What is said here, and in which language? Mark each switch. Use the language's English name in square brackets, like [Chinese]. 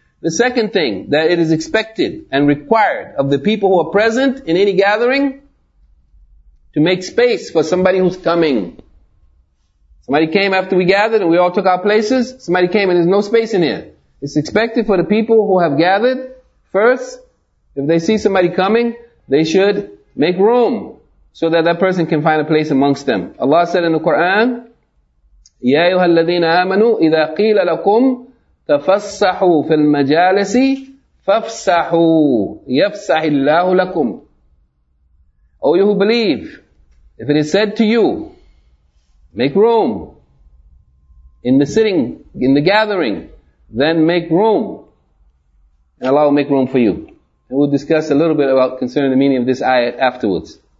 [English] The second thing, that it is expected and required of the people who are present in any gathering to make space for somebody who's coming. Somebody came after we gathered and we all took our places. Somebody came and there's no space in here. It's expected for the people who have gathered first, if they see somebody coming, they should make room so that that person can find a place amongst them. Allah said in the Quran, [Arabic] يَا أَيُّهَا الَّذِينَ آمَنُوا إِذَا قِيلَ لَكُمْ تَفَسَّحُوا فِي الْمَجَالِسِ فَفْسَحُوا يَفْسَحِ اللَّهُ لَكُمْ. [English] O you who believe, if it is said to you, make room in the sitting, in the gathering, then make room, and Allah will make room for you. And we'll discuss a little bit about concerning the meaning of this ayat afterwards.